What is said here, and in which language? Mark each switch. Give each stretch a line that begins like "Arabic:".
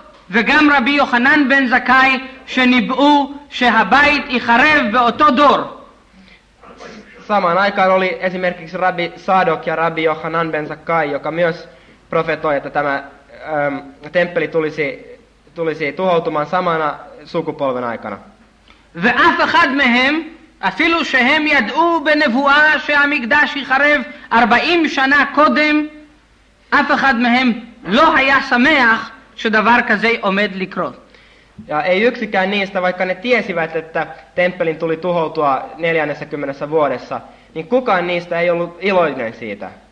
Hebrew: וגם רבי יוחנן בן זכאי שניבאו שהבית יחרב באותו דור.
Finnish: Samaan aikaan oli esimerkiksi rabbi Sadok ja rabbi Johanan ben Zakkai, joka myös profetoi, että tämä temppeli tulisi tuhoutumaan samana sukupolven aikana.
Hebrew: ואף אחד מהם, אפילו שהם ידעו בנבואה שהמקדש יחרב 40 שנה קודם, אף אחד מהם לא היה שמח שדבר כזה עומד לקרות.
Finnish: Ja ei yksikään niistä, vaikka ne tiesivät, että temppelin tuli tuhoutua 40 vuodessa, niin kukaan niistä ei ollut iloinen siitä.